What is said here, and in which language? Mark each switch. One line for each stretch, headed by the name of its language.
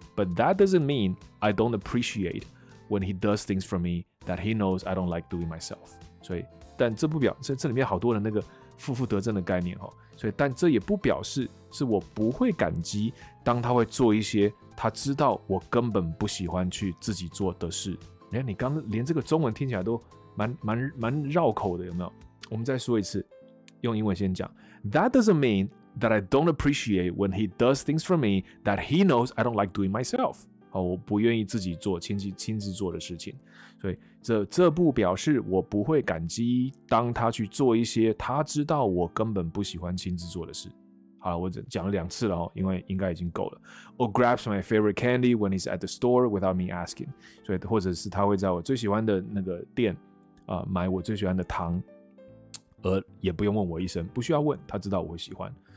English: But that doesn't mean I don't appreciate。 When he does things for me that he knows I don't like doing myself，
Chinese: 所以，但这不表，这里面好多的那个负负得正的概念，所以，但这也不表示是我不会感激，当他会做一些他知道我根本不喜欢去自己做的事。你刚连这个中文听起来都蛮绕口的，有没有？我们再说一次，用英文先讲。
English: That doesn't mean that I don't appreciate when he does things for me that he knows I don't like doing myself。
Chinese: 我不愿意自己做亲自做的事情，所以 这不表示我不会感激当他去做一些他知道我根本不喜欢亲自做的事。好了，我讲了两次了，因为应该已经够了。
English: Or grabs my favorite candy when he's at the store without me asking，
Chinese: 所以或者是他会在我最喜欢的那个店，买我最喜欢的糖，而也不用问我一声，不需要问，他知道我会喜欢。